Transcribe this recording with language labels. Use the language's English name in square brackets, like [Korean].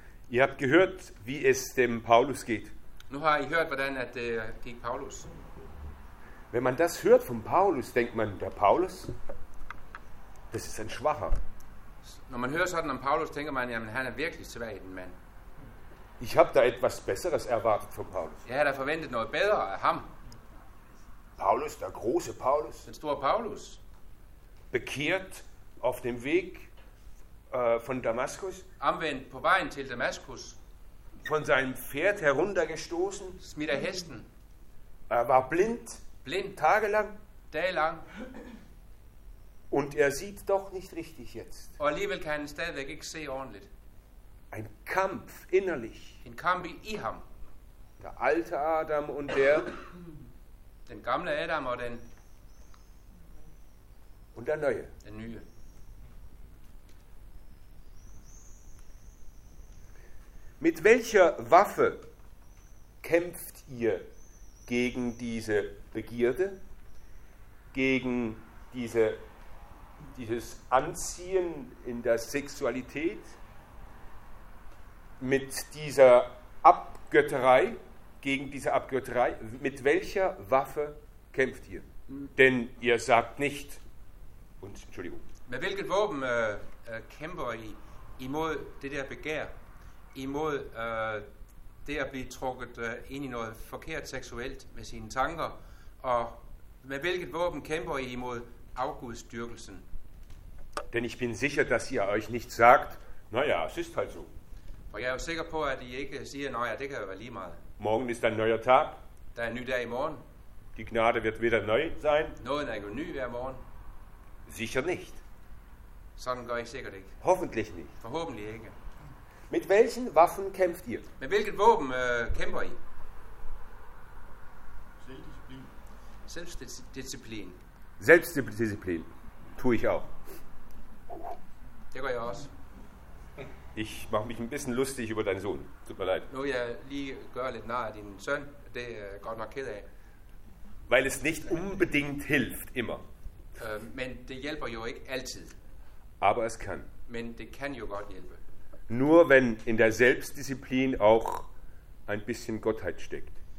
[German] Ihr habt gehört, wie es dem Paulus geht. [Danish] Nu har I hørt, hvordan det gik Paulus. [German] Wenn man das hört von Paulus, denkt man, der Paulus, das ist ein Schwacher. [Danish] Når man hører sådan om Paulus, tænker man, jamen han er virkelig svag, den mand. [German] Ich habe da etwas Besseres erwartet von Paulus. [Danish] Jeg havde forventet noget bedre af ham. [German] Paulus, der große Paulus. [Danish] Den store Paulus. [German] Bekehrt auf dem Weg von Damaskus. [Danish] Omvendt på vejen til Damaskus. [German] Von seinem Pferd heruntergestoßen. [Danish] Smidt af hesten. [German] Er war blind. [Danish] Blind. [German] Tagelang. [Danish] Dagelang. [German] Und er sieht doch nicht richtig jetzt. [Danish] Og alligevel kan han stadigvæk ikke se ordentligt. [German] Ein Kampf innerlich. [Danish] En kamp i ham. [German] Der alte Adam und der. [Danish] Den gamle Adam og den. [German] Und der neue. [Danish] Den nye. [German] Mit welcher Waffe kämpft ihr gegen diese Begierde? Gegen diese dieses Anziehen in der Sexualität, mit dieser Abgötterei, gegen diese Abgötterei, mit welcher Waffe kämpft ihr? Denn ihr sagt nicht, und Entschuldigung. [Danish] Med hvilket våben kæmper I imod det der begær, imod det at blive trukket ind I noget forkert seksuelt med sine tanker, og med hvilket våben kæmper I imod afgudsdyrkelsen? [German] Denn ich bin sicher, dass ihr euch nicht sagt, naja, es ist halt so. [Danish] Og jeg er jo sikker på, at I ikke siger, naja, det kan jo være lige meget. [German] Morgen ist ein neuer Tag. [Danish] Der er en ny dag i morgen. [German] Die Gnade wird wieder neu sein. [Danish] Nåden er jo ny hver morgen. [German] Sicher nicht. [Danish] Sådan går I sikkert ikke. [German] Hoffentlich nicht. [Danish] Forhåbentlig ikke. [German] Mit welchen Waffen kämpft ihr? [Danish] Med hvilket våben kæmper I? [German] Selbstdisziplin. Selbstdisziplin. Tue ich auch. [Danish] Det gør jeg også. [German] Ich mache mich ein bisschen lustig über deinen Sohn. Tut mir leid. [Danish] Nu jeg lige gør lidt nar af din søn. Det godt nok ked af. [German] Weil es nicht unbedingt hilft, immer. [Danish] Men det hjælper jo ikke altid. [German] Aber es kann. [Danish] Men det kan jo godt hjælpe. [German] Nur wenn in der Selbstdisziplin auch ein bisschen Gottheit steckt.